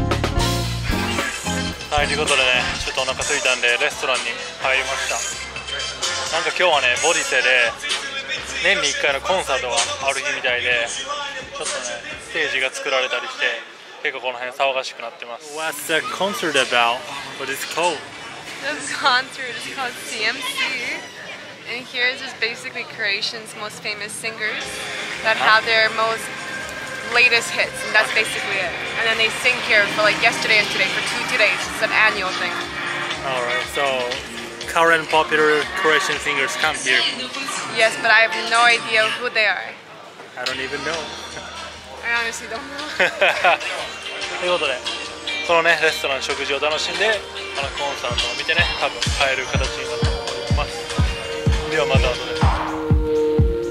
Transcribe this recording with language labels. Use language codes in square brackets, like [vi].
[ja] ということでね、ちょっとお腹空いたんでレストランに入りました。なんか今日はね、ボディセで年に1回のコンサートがある日みたいで、ちょっとね、ステージが作られたりして結構この辺騒がしくなってます。 [en] What's the concert about? What is it called? This concert is called CMC and here is basically Croatian's most famous singers that have their mostlatest hits and that's basically it and then they sing here for like yesterday and today for two days. It's an annual thing. All right, so current popular Croatian singers come here. Yes, but I have no idea who they are. I don't even know. I honestly don't know. [ja] ということでこのねレストラン食事を楽しんでこのコンサートを見てね多分帰る形になると思います。ではまた後で。